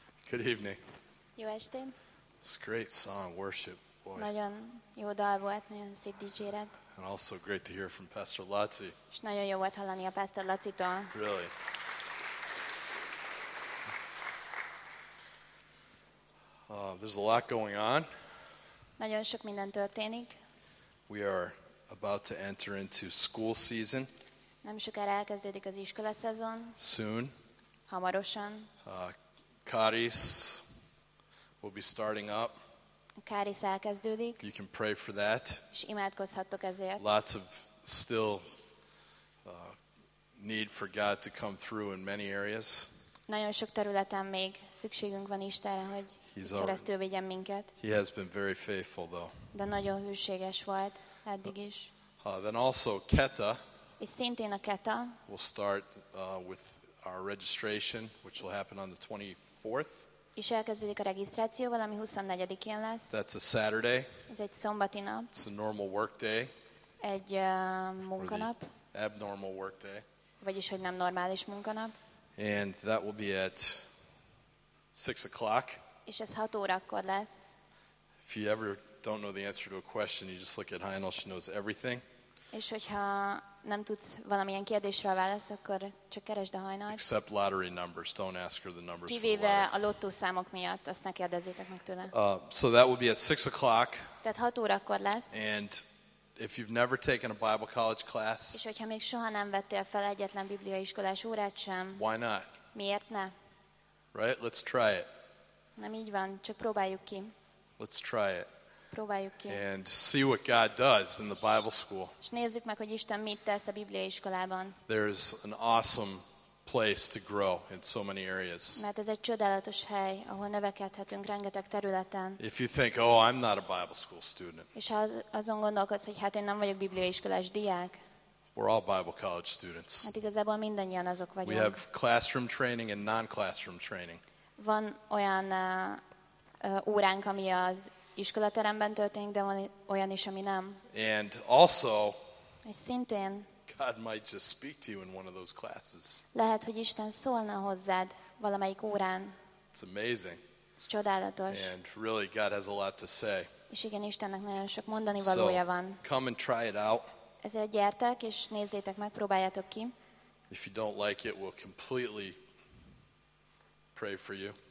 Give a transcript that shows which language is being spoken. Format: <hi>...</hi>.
<en>Good evening.</en> <hu>Jó estén.</hu> <en>It's a great song, worship, boy.</en> <hu>Nagyon jó dal volt, nagyon szép dicséret.</hu> <en>And also great to hear from Pastor Laci.</en> <hu>És nagyon jó volt hallani a Pastor Laci-tól.</hu> <en>Really. There's a lot going on.</en> <hu>Nagyon sok minden történik.</hu> <en>We are about to enter into school season.</en> <hu>Nem sokára elkezdődik az iskola szezon.</hu> <en>Soon.</en> <hu>Hamarosan.</hu> <en>Karis will be starting up.</en> <hu>Karis elkezdődik.</hu> <en>You can pray for that.</en> <hu>És imádkozhattok ezért.</hu> <en>Lots of still need for God to come through in many areas.</en> <hu>Nagyon sok területen még szükségünk van Istenre, hogy keresztül vigyen minket.</hu> <en>He has been very faithful though.</en> <hu>De nagyon hűséges volt eddig is.</hu> <en>Then also Keta.</en> <hu>És szintén a Keta.</hu> <en>We'll start with our registration, which will happen on the 24th.</en> <hu>És elkezdődik a regisztráció, valami 24-én lesz.</hu> <en>That's a Saturday.</en> <hu>Ez egy szombati nap.</hu> <en>It's a normal work day.</en> <hu>Egy munkanap.</hu> <en>Abnormal work day.</en> <hu>Vagyis, hogy nem normális munkanap.</hu> <en>And that will be at 6 o'clock.</en> <hu>És ez 6 órakor lesz.</hu> <en>If you ever don't know the answer to a question, you just look at Heinel, she knows everything.</en> <hu>És hogyha nem tudsz valamilyen kérdésre a választ, akkor csak keresd a Hajnalt.</hu> <en>Except lottery numbers. Don't ask her the numbers for the lottery.</en> <hu>Kivéve a lottószámok miatt, azt ne kérdezzétek meg tőle.</hu> <en>So that will be at 6 o'clock.</en> <hu>Tehát 6 órakor lesz.</hu> <en>And if you've never taken a Bible college class.</en> <hu>És hogyha még soha nem vettél fel egyetlen bibliaiskolás órát sem.</hu> <en>Why not?</en> <hu>Miért ne?</hu> <en>Right? Let's try it.</en> <hu>Nem így van, csak próbáljuk ki.</hu> <en>Let's try it.</en> <hu>Próbáljuk ki.</hu> <en>And see what God does in the Bible school.</en> <hu>És nézzük meg, hogy Isten mit tesz a bibliaiskolában.</hu> <en>There's an awesome place to grow in so many areas.</en> <hu>Mert ez egy csodálatos hely, ahol növekedhetünk rengeteg területen.</hu> <en>If you think, oh, I'm not a Bible school student.</en> <hu>És ha azon gondolkodsz, hogy hát én nem vagyok bibliaiskolás diák.</hu> <en>We're all Bible college students.</en> <hu>Hát igazából mindannyian azok vagyunk.</hu> <en>We have classroom training and non-classroom training.</en> <hu>Van olyan óránk, ami az iskolateremben történik, de van olyan is, ami nem.</hu> <en>And also,</en> <hu>és szintén,</hu> <en>God might just speak to you in one of those classes.</en> <hu>Lehet, hogy Isten szólna hozzád valamelyik órán.</hu> <en>It's amazing.</en> <hu>Ez csodálatos.</hu> <en>And really, God has a lot to say.</en> <hu>És igen, Istennek nagyon sok mondani valója van.</hu> <en>So, come and try it out.</en> <hu>Ezért gyertek, és nézzétek meg, próbáljátok ki.</hu> <en>If you don't like it, we'll completely pray for you.</en>